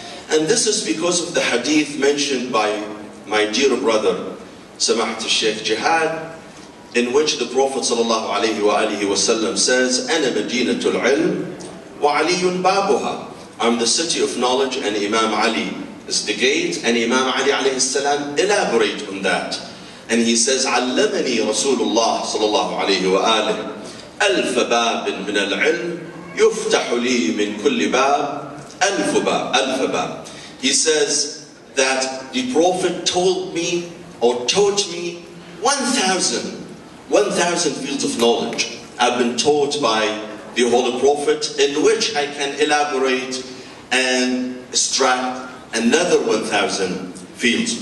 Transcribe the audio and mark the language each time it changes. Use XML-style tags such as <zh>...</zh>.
<en>And this is because of the hadith mentioned by my dear brother, Samahat al-Sheikh Jihad, in which the Prophet sallallahu alayhi wa alihi wa sallam says,</en> <ar>أَنَا مَدِينَةُ الْعِلْمِ وَعَلِيٌ بَابُهَا.</ar> <en>I'm the city of knowledge, and Imam Ali is the gate, and Imam Ali alayhi salam elaborate on that. And he says,</en> <ar>علمني رسول الله صلى الله عليه وآله ألف باب من العلم يفتح لي من كل باب ألف باب ألف باب.</ar> <en>He says that the Prophet told me or taught me 1,000 fields of knowledge I've been taught by the Holy Prophet, in which I can elaborate and extract another 1,000 fields.</en>